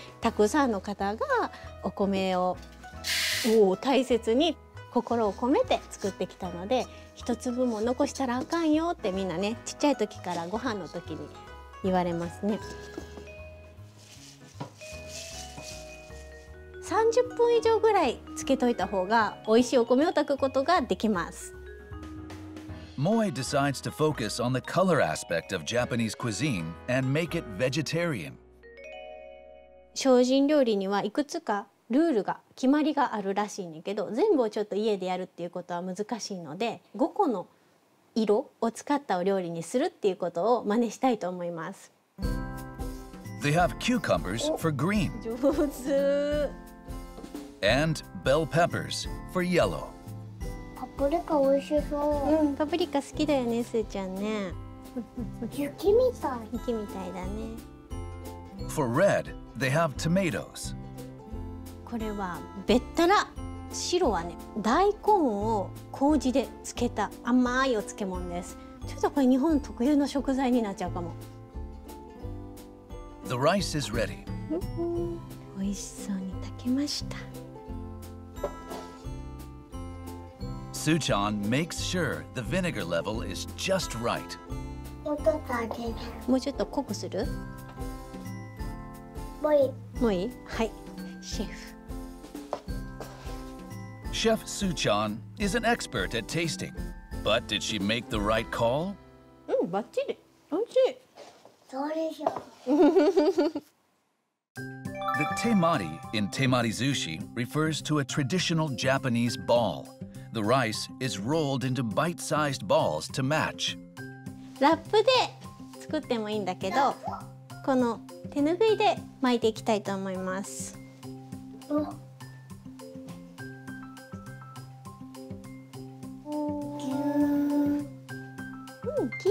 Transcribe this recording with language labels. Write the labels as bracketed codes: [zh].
[ja] たくさんの方がお米を大切に心を込めて作ってきたので、一粒も残したらあかんよってみんなね、ちっちゃい時からご飯の時に言われますね。 30分以上ぐらいつけといた方が美味しいお米を炊くことができます。 [en] Moe decides to focus on the color aspect of Japanese cuisine and make it vegetarian. [ja] 精進料理にはいくつかルールが、決まりがあるらしいんだけど、全部をちょっと家でやるっていうことは難しいので、5個の色を使ったお料理にするっていうことを真似したいと思います。 [en] They have cucumbers for green. [ja] 上手。 [en] And bell peppers for yellow. [ja] パプリカ美味しそう。うん、パプリカ好きだよね、すーちゃんね。雪みたい。雪みたいだね。 [en] For red, they have tomatoes. [ja] これはべったら。白はね、大根を麹で漬けた甘いお漬物です。ちょっとこれ日本特有の食材になっちゃうかも。 [en] The rice is ready. [ja] 美味しそうに炊けました。 [en] Suchan makes sure the vinegar level is just right. [ja] もうちょっと上げる。もうちょっと濃くする？もういい。もういい？はい、シェフ。 [en] Chef Suchan is an expert at tasting, but did she make the right call? [ja] うん、バッチリ。おいしい。そうでしょ。 [en] The temari in temari sushi refers to a traditional Japanese ball. The rice is rolled into bite-sized balls to match. [ja] ラップで作ってもいいんだけど、この手ぬぐいで巻いていきたいと思います。うん、きれ